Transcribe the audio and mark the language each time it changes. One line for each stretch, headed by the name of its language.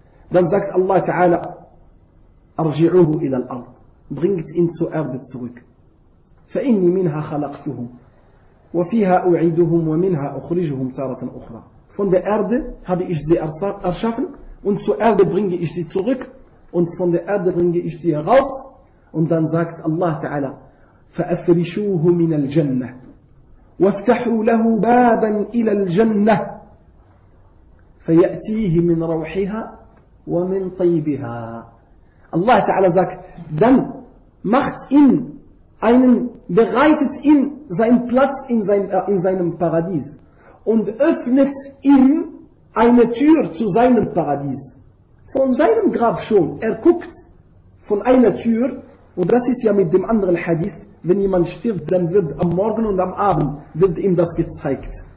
German: Dann sagt Allah Ta'ala,
Arabic: Arji'uhu ila al-Ard,
German: bringt ihn zur Erde zurück.
Arabic: فَإِنِّي مِنْهَا خَلَقْتُهُمْ وَفِيهَا أُعِيدُهُمْ وَمِنْهَا أُخْرِجُهُمْ تَارَةً أُخْرَى.
German: Von der Erde habe ich sie erschaffen und zur Erde bringe ich sie zurück und von der Erde bringe ich sie heraus. Und dann sagt Allah Ta'ala,
Arabic: فَأَفْرِشُوهُ مِنَ الْجَنَّةِ وَافْتَحُوا لَهُ بَابًا إِلَى الْجَنَّةِ فَيَأْتِيهِ مِنْ رَوْحِهَا وَمِنْ طَيِّبِهَا.
German: Allah Ta'ala sagt, dann macht ihn einen, bereitet ihm seinen Platz in seinem Paradies und öffnet ihm eine Tür zu seinem Paradies. Von seinem Grab schon. Er guckt von einer Tür, und das ist ja mit dem anderen Hadith, wenn jemand stirbt, dann wird am Morgen und am Abend wird ihm das gezeigt.